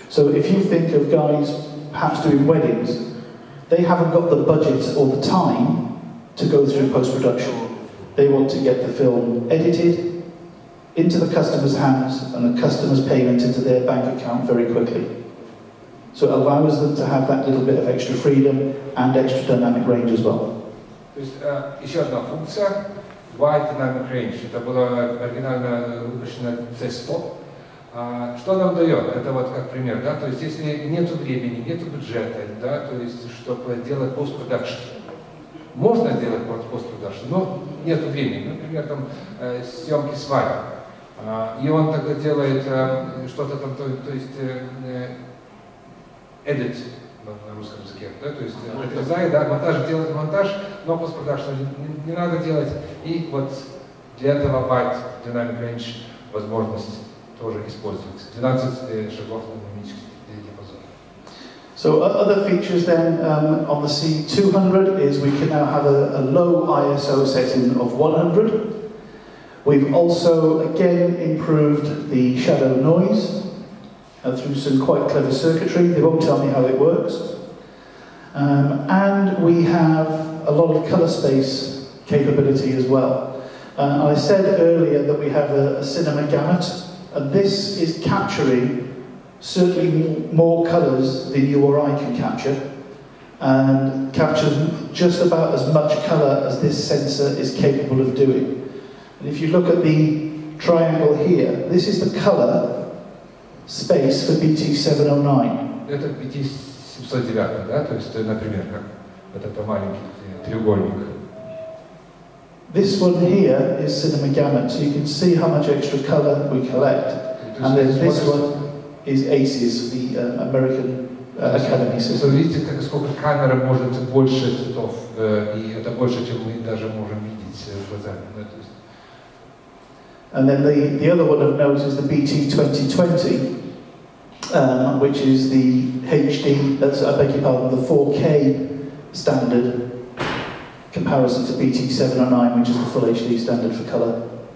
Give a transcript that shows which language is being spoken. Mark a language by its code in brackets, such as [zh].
[en] So if you think of guys perhaps doing weddings, they haven't got the budget or the time to go through post-production. They want to get the film edited into the customer's hands and the customer's payment into their bank account very quickly. So it allows them to have that little bit of extra freedom and extra dynamic range as well. [ru] То есть еще одна функция Wide Dynamic Range. Это была оригинально выпущена C100. Что нам дает? Это вот как пример, да? То есть если нет времени, нет бюджета, да, то есть чтобы делать постпродакшн. Можно делать постпродакшн, но нет времени. Например, там съемки с вами. И он тогда делает что-то там, то есть edit на русском языке, да, то есть отрезает, да, монтаж, делает монтаж, но постпродакшн не надо делать, и вот для этого Wide Dynamic Range возможность тоже используется. 12 шагов на динамический диапазон. [en] So other features then on the C200 is we can now have a low ISO setting of 100. We've also again improved the shadow noise through some quite clever circuitry. They won't tell me how it works. And we have a lot of color space capability as well. I said earlier that we have a cinema gamut, and this is capturing certainly more colors than you or I can capture, and captures just about as much color as this sensor is capable of doing. And if you look at the triangle here, this is the color space for BT-709. [ru] Это BT-709, да? То есть, например, как этот маленький треугольник. [en] This one here is cinema gamut, so you can see how much extra color we collect. And then this one is ACES, the American Academy system. [ru] Видите, как сколько камер может больше цветов, и это больше, чем мы даже можем видеть глазами. [en] And then the other one of note is the BT-2020. which is the HD, that's, I beg your pardon, the 4K standard comparison to BT709, which is the full HD standard for color.